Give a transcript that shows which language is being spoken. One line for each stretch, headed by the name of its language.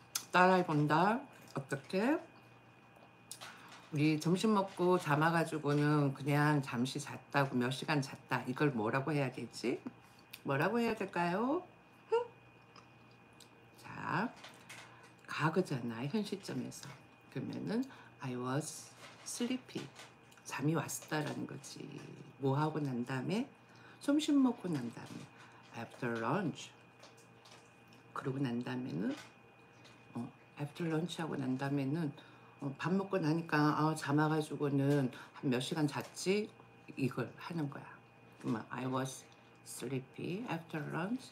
Korean: 따라해본다. 어떻게? 우리 점심 먹고 잠아가지고는 그냥 잠시 잤다고, 몇 시간 잤다. 이걸 뭐라고 해야 되지? 뭐라고 해야 될까요? 자, 과거잖아, 현실점에서.
English: 그러면은 I was sleepy.
Korean: 잠이 왔었다라는 거지. 뭐 하고 난 다음에? 점심 먹고 난 다음에.
English: After lunch.
Korean: 그러고 난 다음에는?
English: After lunch
Korean: 하고 난 다음에는 밥 먹고 나니까 잠 와가지고는 한 몇 시간 잤지? 이걸 하는 거야.
English: 그러면 I was sleepy after lunch.